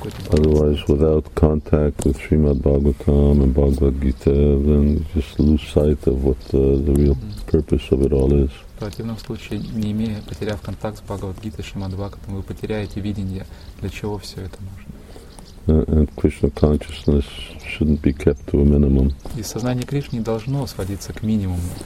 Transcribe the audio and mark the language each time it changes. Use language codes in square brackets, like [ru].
[en] Otherwise, without contact with Srimad Bhagavatam and Bhagavad Gita, then you just lose sight of what the real purpose of it all is. [ru] В противном случае, не имея, потеряв контакт с Бхагавад Гитой и Шримад Бхагаватам, вы потеряете видение, для чего все это нужно. [en] And Krishna consciousness shouldn't be kept to a minimum. [ru] И сознание Кришны должно сводиться к минимуму.